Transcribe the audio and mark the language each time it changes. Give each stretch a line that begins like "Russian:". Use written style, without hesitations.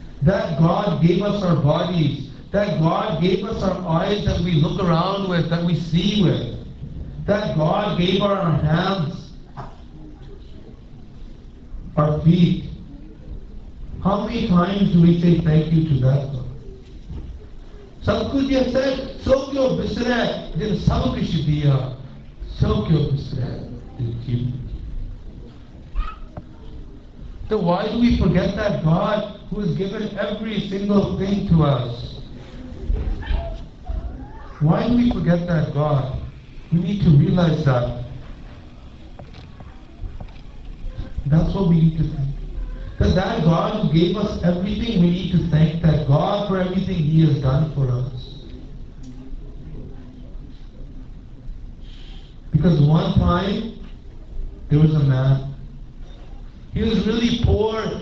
English: That God gave us our bodies, that God gave us our eyes that we look around with, that we see with, that God gave our hands, our feet. How many times do we say thank you to that God?
Punjabi: ਸਭ ਕੁਝ ਜੀ ਅਸਰ ਸੋ ਕਿਉਂ ਵਿਸਰੈ ਜਿਨ ਸਭ ਕੁਛ ਦੀਆ, ਸੋ ਕਿਉਂ ਵਿਸਰੈ ਜਿਨ ਜੀਵ।
English: ਤੇ why do we forget that God who has given every single thing to us? Why do we forget that God? We need to realise that, that's what we need to think. But that God who gave us everything, we need to thank that God for everything He has done for us. Because one time, there was a man. He was really poor.